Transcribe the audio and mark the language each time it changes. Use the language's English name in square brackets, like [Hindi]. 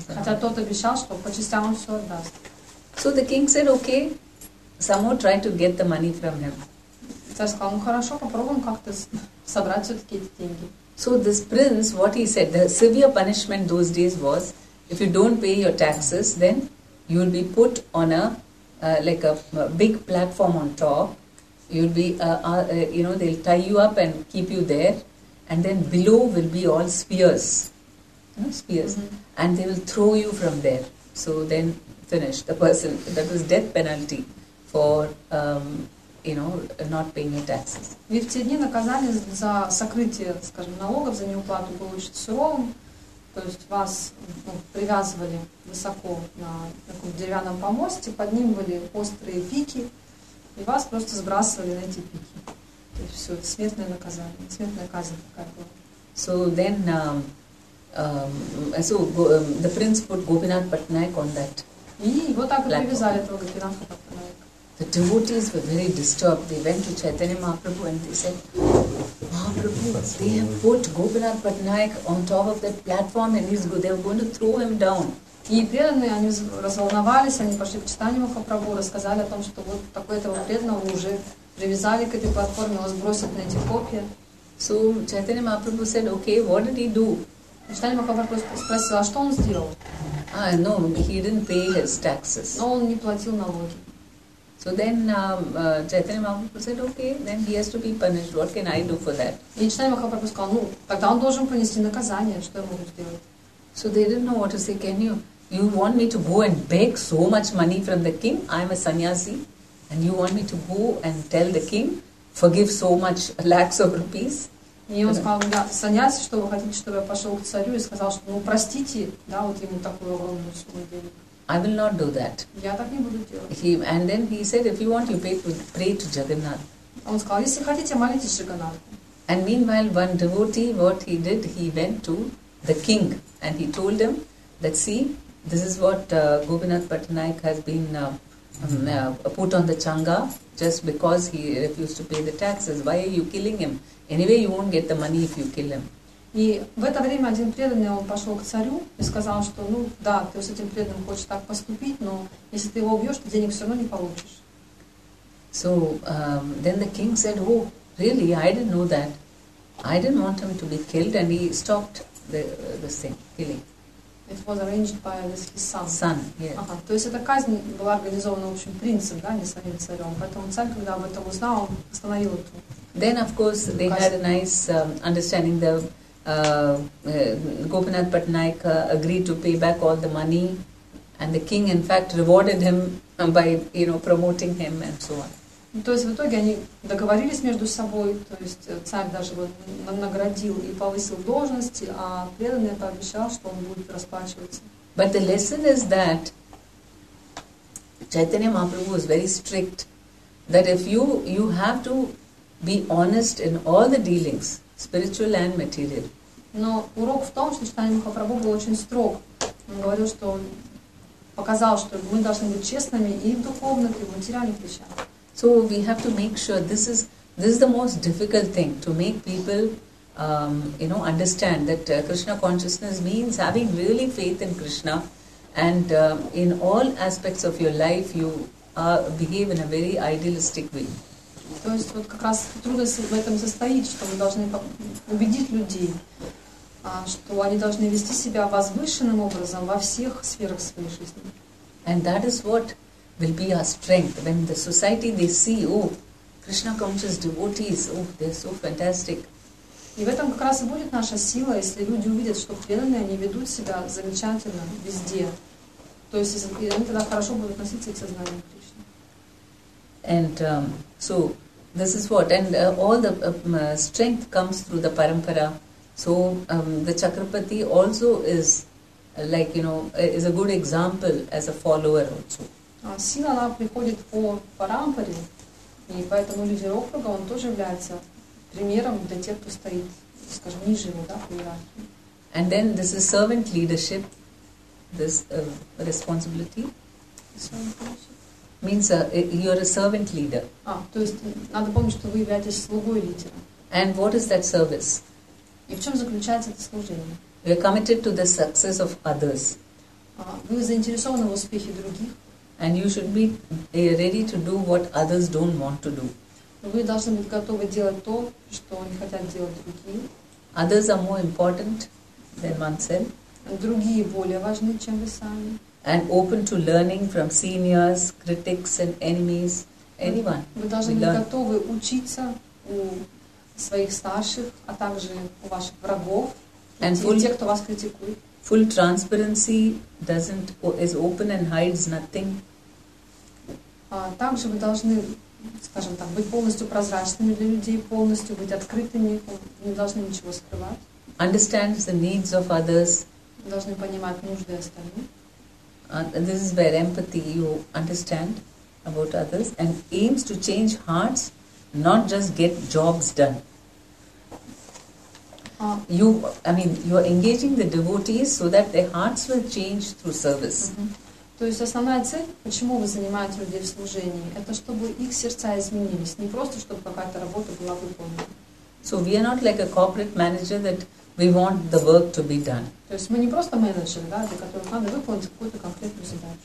[Russian] Хотя тот обещал, что по частям он все отдаст. [English] So the king said, okay, somehow try to get the money from him. [Russian] Царь сказал, ну хорошо, попробуем как-то собрать все-таки эти деньги. [English] So this prince, what he said, the severe punishment those days was, if you don't pay your taxes, then you will be put on a like a big platform on top. You'll be, you know, they'll tie you up and keep you there, and then below will be all spears, you know, spears, mm-hmm. and they will throw you from there. So then finish the person. That was death penalty for you know, not paying your taxes. [Russian] Ведь в те дни наказание за сокрытие, скажем, налогов, за неуплату было очень суровым. То есть вас привязывали высоко на таком деревянном помосте, под ним были острые пики, и вас просто сбрасывали на эти пики. То есть все, это смертное наказание, смертная казнь такая была. [English] So then, the prince put Gopinath Patnaik on that. [Russian] И его так и привязали, этого Гопинатха Патнаика. [English] The devotees were very disturbed. They went to Chaitanya Mahaprabhu and they said, Mahaprabhu, they have put Gopinath Patnaik on top of that platform and he's good. They were going to throw him down. [Russian] И преданные, они разволновались, они пошли к Чайтанье Махапрабху, рассказали о том, что вот такое-то преданного уже привязали к этой платформе, его сбросят на эти копья. [English] So Chaitanya Mahaprabhu said, okay, what did he do? [Russian] Чайтанье Махапрабху спросил, а что он сделал? [English] Ah, no, he didn't pay his taxes. [Russian] Но он не платил налоги. [English] So then Chaitanya Mahaprabhu said, okay, then he has to be punished. What can I do for that? [Russian] И Чайтанья Махапрабху сказал, ну, тогда он должен понести наказание. Что я могу сделать? [English] So they didn't know what to say. Can you want me to go and beg so much money from the king? I am a sannyasi. And you want me to go and tell the king, forgive so much lakhs of rupees? [Russian] И он сказал, да, сannyasi, что вы хотите, чтобы я пошел к царю и сказал, что, ну, простите, да, вот ему такую огромную сумму денег. [English] I will not do that. [Russian] Я так не буду делать. [English] He, and then he said, if you want, you pray to Jagannath. [Russian] Он сказал, если хотите, молитесь Джаганнатху. [English] And meanwhile, one devotee, what he did, he went to the king and he told him that, see, this is what Gopinath Patnaik has been put on the changa just because he refused to pay the taxes. Why are you killing him? Anyway, you won't get the money if you kill him. [Russian] И в это время один преданный, он пошел к царю и сказал, что, ну, да, ты с этим преданным хочешь так поступить, но если ты его убьешь, ты денег все равно не получишь. [English] So, then the king said, oh, really, I didn't know that. I didn't want him to be killed, and he stopped the thing, killing. It was arranged by his son. Son, yes. [Russian] Ага, то есть эта казнь была организована, в общем, принцем, да, не самим царем. Поэтому царь, когда об этом узнал, он остановил эту казнь. [English] Then, of course, they had a nice understanding the Gopinath Patnaik agreed to pay back all the money, and the king, in fact, rewarded him by, you know, promoting him and so on. [Russian] То есть в итоге они договорились между собой. То есть царь даже вот наградил и повысил должности, а преданный пообещал, что он будет расплачиваться. [English] But the lesson is that Chaitanya Mahaprabhu was very strict that if you have to be honest in all the dealings, spiritual and material. [Russian] Но урок в том, что Чайтанья Махапрабху был очень строг. Он говорил, что он показал, что мы должны быть честными и в духовных, и в материальных вещах. [English] So we have to make sure this is the most difficult thing to make people you know, understand that Krishna consciousness means having really faith in Krishna, and in all aspects of your life you behave in a very idealistic way. [Russian] То есть вот как раз трудность в этом состоит, что мы должны убедить людей, что они должны вести себя возвышенным образом во всех сферах своей жизни. [English] And that is what will be our strength. When the society, they see, oh, Krishna conscious devotees, oh, they're so fantastic. [Russian] И в этом как раз и будет наша сила, если люди увидят, что преданные, они ведут себя замечательно везде. То есть они тогда хорошо будут относиться к сознанию Кришны. [English] And so this is what, and all the strength comes through the parampara. So the Chakrapati also is like, you know, is a good example as a follower also. [Russian] Сила, она приходит по парампаре, и поэтому лидер округа, он тоже является примером для тех, кто стоит, скажем, ниже его, да, по иерархии. [English] And then this is servant leadership, this responsibility. Means you're a servant leader. [Russian] А, то есть надо помнить, что вы являетесь слугой лидера. [English] And what is that service? [Russian] И в чем заключается это служение? [English] You're committed to the success of others. [Russian] Вы заинтересованы в успехе других. [English] And you should be ready to do what others don't want to do. [Russian] Вы должны быть готовы делать то, что не хотят делать другие. [English] Others are more important than oneself. [Russian] Другие более важны, чем вы сами. [English] And open to learning from seniors, critics and enemies, anyone. [Russian] Вы должны быть готовы учиться у своих старших, а также у ваших врагов, у тех, кто вас критикует. [English] Full transparency is open and hides nothing. [Russian] Также мы должны, скажем так, быть полностью прозрачными для людей, полностью быть открытыми, не должны ничего скрывать. [English] Understand the needs of others. [Russian] Должны понимать нужды остальных. [English] This is where empathy, you understand about others, and aims to change hearts, not just get jobs done. You are engaging the devotees so that their hearts will change through service. [Russian] То есть основная цель, почему вы занимаете людей в служении, это чтобы их сердца изменились, не просто чтобы какая-то работа была выполнена. [English] So we are not like a corporate manager that we want the work to be done. [Russian] То есть мы не просто менеджеры, да, для которых надо выполнить какую-то конкретную задачу.